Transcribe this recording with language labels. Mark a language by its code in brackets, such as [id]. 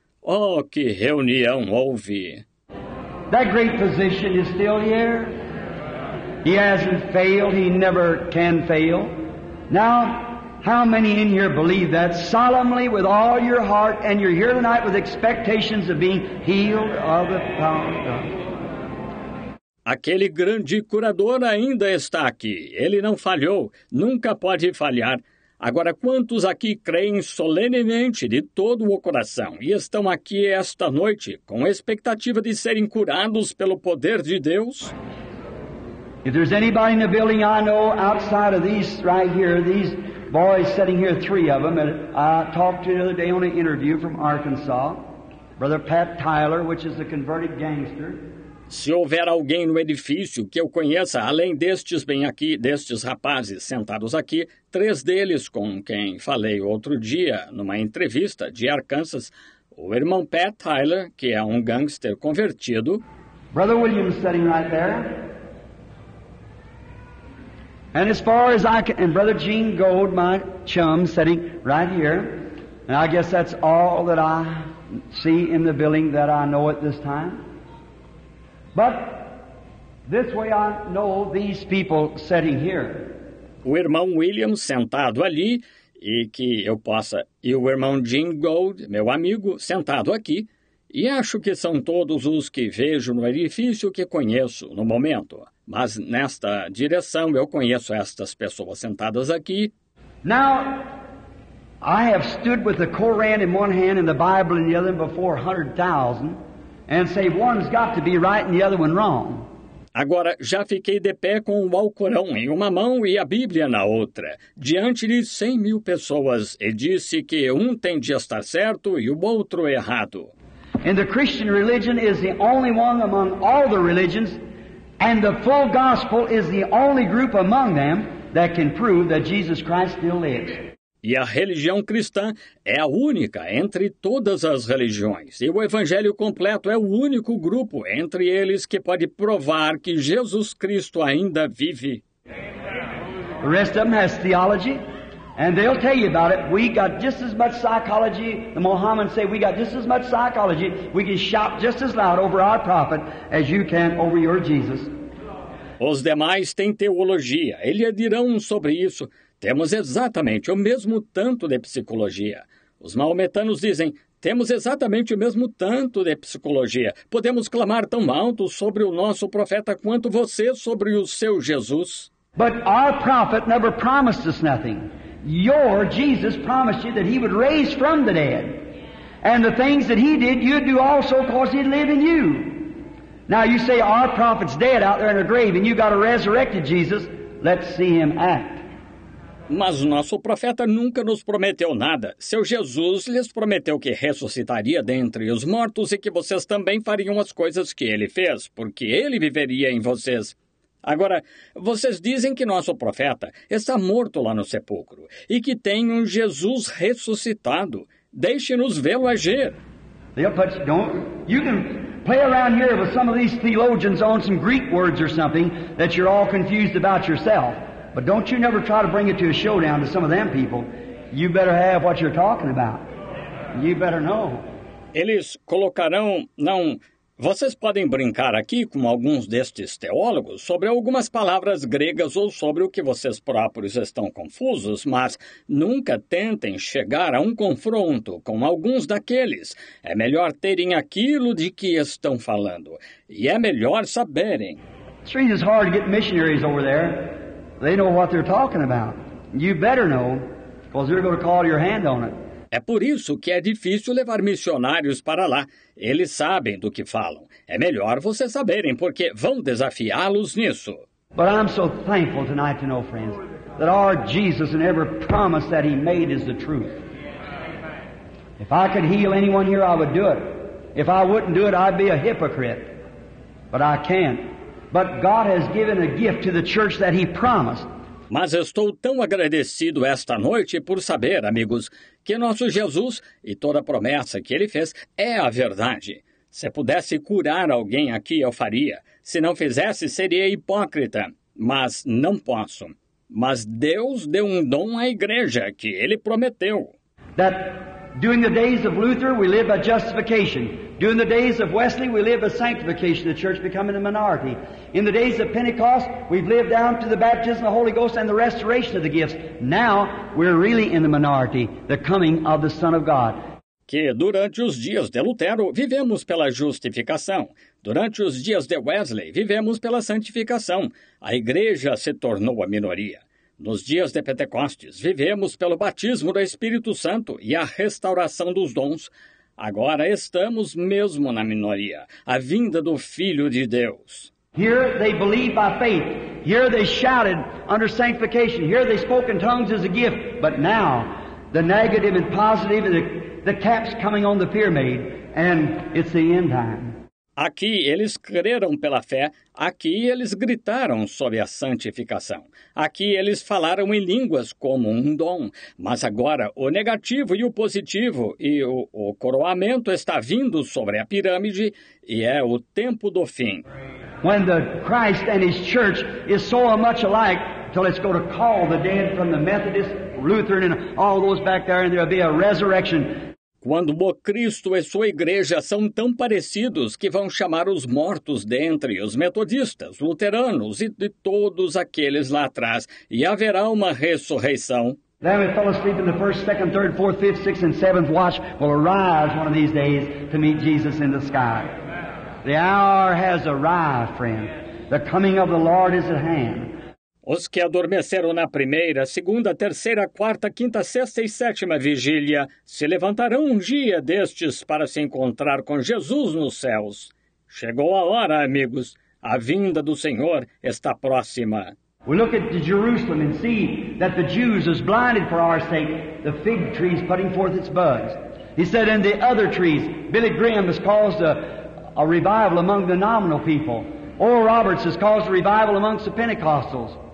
[pt] Oh, que reunião houve. [en] That great physician is still here. He hasn't failed. He never can fail. Now, how many in here believe that solemnly with all your heart and you're here tonight with expectations of being healed of the power of God? [pt] Aquele grande curador ainda está aqui. Ele não falhou. Nunca pode falhar. Agora, quantos aqui creem solenemente de todo o coração e estão aqui esta noite com a expectativa de serem curados pelo poder de Deus? [en] If there's anybody in the building I know outside of these right here, these boys sitting here, three of them, and I talked to the other day on an interview from Arkansas, Brother Pat Tyler, which is a converted gangster. [pt] Se houver alguém no edifício que eu conheça, além destes bem aqui, destes rapazes sentados aqui, três deles com quem falei outro dia numa entrevista de Arkansas, o irmão Pat Tyler, que é um gangster convertido. [en] Brother William sitting right there. And as far as I can, and Brother Gene Gold, my chum, sitting right here, and I guess that's all that I see in the building that I know at this time. But this way I know these people sitting here. [pt] O irmão William sentado ali, e que eu possa, e o irmão Gene Gold, meu amigo, sentado aqui, e acho que são todos os que vejo no edifício que conheço no momento. Mas nesta direção eu conheço estas pessoas sentadas aqui. [en] Now, I have stood with the Koran in one hand and the Bible in the other before 100,000 and say one's got to be right and the other one wrong. [pt] Agora já fiquei de pé com o Alcorão em uma mão e a Bíblia na outra, diante de 100,000 pessoas e disse que um tem de estar certo e o outro errado. [en] And the Christian religion is the only one among all the religions. And the full gospel is the only group among them that can prove that Jesus Christ still lives. [pt] E a religião cristã é a única entre todas as religiões. E o evangelho completo é o único grupo entre eles que pode provar que Jesus Cristo ainda vive. [en] The rest of them has theology, and they'll tell you about it. We got just as much psychology. The Mohammedans say we got just as much psychology. We can shout just as loud over our prophet as you can over your Jesus. [pt] Os demais têm teologia. Eles dirão sobre isso. Temos exatamente o mesmo tanto de psicologia. Os maometanos dizem, temos exatamente o mesmo tanto de psicologia. Podemos clamar tão alto sobre o nosso profeta quanto você sobre o seu Jesus. [en] But our prophet never promised us nothing. Your Jesus promised you that he would raise from the dead. And the things that he did, you'd do also because he'd live in you. Now you say our prophet's dead out there in a grave and you got a resurrected Jesus. Let's see him act. [pt] Mas nosso profeta nunca nos prometeu nada. Seu Jesus lhes prometeu que ressuscitaria dentre os mortos e que vocês também fariam as coisas que ele fez, porque ele viveria em vocês. Agora, vocês dizem que nosso profeta está morto lá no sepulcro e que tem um Jesus ressuscitado. Deixe-nos vê-lo agir. [en] You can play around here with some of these theologians on some Greek words or something that you're all confused about yourself. But don't you never try to bring it to a showdown to some of them people. You better have what you're talking about. You better know. [pt] Eles colocarão, não... Vocês podem brincar aqui com alguns destes teólogos sobre algumas palavras gregas ou sobre o que vocês próprios estão confusos, mas nunca tentem chegar a um confronto com alguns daqueles. É melhor terem aquilo de que estão falando. E é melhor saberem. [en] It's hard to get missionaries over there. They know what they're talking about. You better know, because they're going to call your hand on it. [pt] É por isso que é difícil levar missionários para lá. Eles sabem do que falam. É melhor vocês saberem, porque vão desafiá-los nisso. [en] But I'm so thankful tonight to know, friends, that our Jesus and every promise that he made is the truth. If I could heal anyone here, I would do it. If I wouldn't do it, I'd be a hypocrite. But I can't. But God has given a gift to the church that he promised. [pt] Mas estou tão agradecido esta noite por saber, amigos, que nosso Jesus e toda a promessa que ele fez é a verdade. Se pudesse curar alguém aqui, eu faria. Se não fizesse, seria hipócrita. Mas não posso. Mas Deus deu um dom à igreja que ele prometeu. [en] That during the days of Luther, we live by justification. During the days of Wesley, we live a sanctification, the church becoming a minority. In the days of Pentecost, we've lived down to the baptism of the Holy Ghost and the restoration of the gifts. Now, we're really in the minority, the coming of the Son of God. [pt] Que durante os dias de Lutero, vivemos pela justificação. Durante os dias de Wesley, vivemos pela santificação. A igreja se tornou a minoria. Nos dias de Pentecostes, vivemos pelo batismo do Espírito Santo e a restauração dos dons. Agora estamos mesmo na minoria, a vinda do Filho de Deus. [en] Here they believed by faith. Here they shouted under sanctification. Here they spoke in tongues as a gift. But now, the negative and positive, the caps coming on the pyramid, and it's the end time. [pt] Aqui eles creram pela fé, aqui eles gritaram sobre a santificação. Aqui eles falaram em línguas como um dom. Mas agora o negativo e o positivo e o coroamento está vindo sobre a pirâmide e é o tempo do fim. [en] When the Christ and his church is so much alike, till it's going to call the dead from the Methodist, Lutheran and all those back there and there'll be a resurrection. [pt] Quando o Cristo e sua igreja são tão parecidos que vão chamar os mortos dentre os metodistas, luteranos e de todos aqueles lá atrás, e haverá uma ressurreição. [en] Then we fell asleep in the first, second, third, fourth, fifth, sixth, and seventh watch will arise one of these days to meet Jesus in the sky. The hour has arrived, friend. The coming of the Lord is at hand. [pt] Os que adormeceram na primeira, segunda, terceira, quarta, quinta, sexta e sétima vigília se levantarão um dia destes para se encontrar com Jesus nos céus. Chegou a hora, amigos. A vinda do Senhor está próxima. [en] We look at Jerusalem and see that the Jews is blinded for our sake. The fig tree is putting forth its buds. He said, and the other trees, Billy Graham has caused a revival among the nominal people. Oral Roberts has caused a revival among the Pentecostals.